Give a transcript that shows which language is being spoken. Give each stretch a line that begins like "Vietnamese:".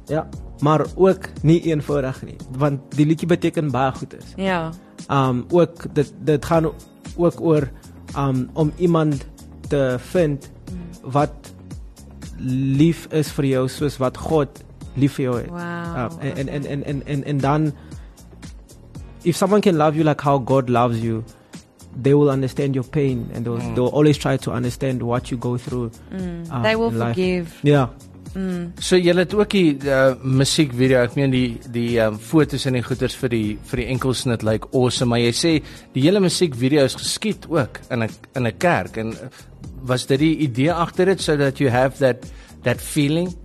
Afrikaans: Ja, maar ook nie eenvoudig nie, want die liedjie beteken baie goed is. Ja. Ook dit gaan ook oor om iemand te vind wat lief is vir jou soos wat God lief vir jou het. Wow. En dan
English: if someone can love you like how God loves you, they will understand your pain and they'll always try to understand what you go through. They will forgive. Life. Yeah.
Afrikaans: So jy het ook die musiekvideo, ek meen die foto's en die goeders vir die enkelsnit lyk
English: like awesome,
Afrikaans: maar jy sê die hele musiekvideo is geskiet ook in 'n kerk en was dit die idee agter dit
English: so that you have that feeling?